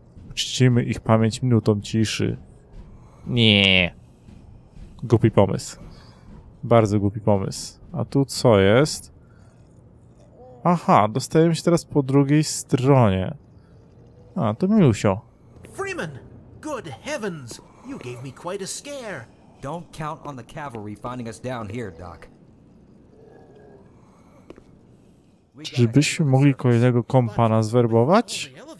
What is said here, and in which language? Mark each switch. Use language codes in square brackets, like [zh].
[pl] Uczcimy ich pamięć minutą ciszy. Nie. Głupi pomysł. Bardzo głupi pomysł. A tu co jest? Aha, dostajemy się teraz po drugiej stronie. A, to Miłusio. [en] Freeman! Good heavens! You gave me quite a scare! Don't count on the cavalry finding us down here, Doc. [pl] Żebyśmy mogli kolejnego kompana zwerbować?